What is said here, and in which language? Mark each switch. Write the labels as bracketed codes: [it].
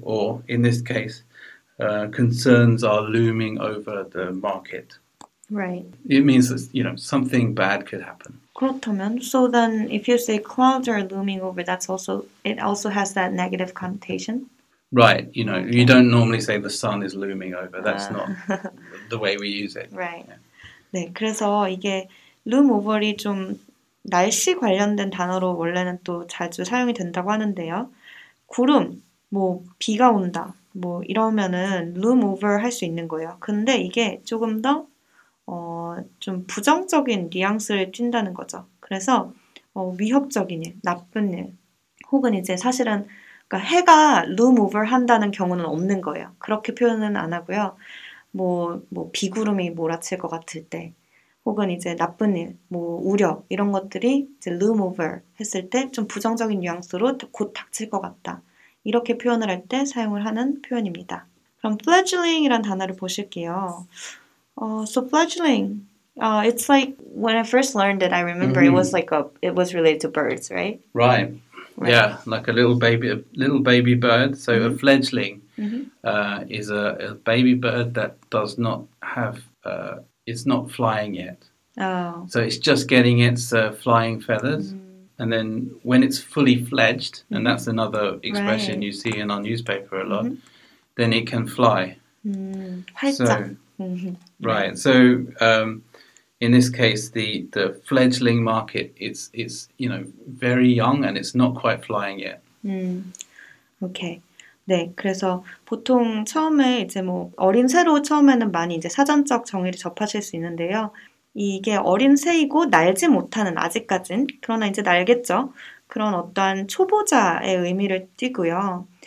[en] Or in this case, concerns are looming over the market. Right. It means that, you know, something bad could happen. [ko] 그렇다면, [en] so then if you say clouds are looming over, that's also, it also has that negative connotation? Right, you know, okay. You don't normally say the sun is looming over. That's not the way we use it. Right. Yeah. [ko] 네, 그래서 이게 loom over이 좀 날씨 관련된 단어로 원래는 또 자주 사용이 된다고 하는데요. 구름, 뭐 비가 온다, 뭐 이러면은 loom over 할 수 있는 거예요. 근데 이게 조금 더 좀 부정적인 뉘앙스를 띈다는 거죠. 그래서 위협적인 일, 나쁜 일, 혹은 이제 사실은 그러니까 해가 loom over 한다는 경우는 없는 거예요. 그렇게 표현은 안 하고요. 뭐 비구름이 몰아칠 것 같을 때, 혹은 이제 나쁜 일, 뭐 우려 이런 것들이 이제 loom over 했을 때 좀 부정적인 뉘앙스로 곧 닥칠 것 같다. 이렇게 표현을 할 때 사용을 하는 표현입니다. 그럼 fledgling이란 단어를 보실게요. [en] So fledgling, it's like when I first learned it, I remember mm-hmm. it was related to birds, right? Right. Yeah, like a little baby bird. So mm-hmm. a fledgling mm-hmm. Is a baby bird that does not have, it's not flying yet. Oh. So it's just getting its flying feathers. Mm-hmm. And then when it's fully fledged, mm-hmm. and that's another expression right. you see in our newspaper a lot, mm-hmm. then it can fly. Mm-hmm. So, mm-hmm. Right. So in this case, the fledgling market, it's you know, very young and it's not quite flying yet. Okay. [ko] 네, 그래서 보통 처음에 이제 뭐 어린 새로 처음에는 많이 이제 사전적 정의를 접하실 수 있는데요. 이게 어린 새이고 날지 못하는 아직까진 그러나 이제 날겠죠. 그런 어떠한 초보자의 의미를 띠고요.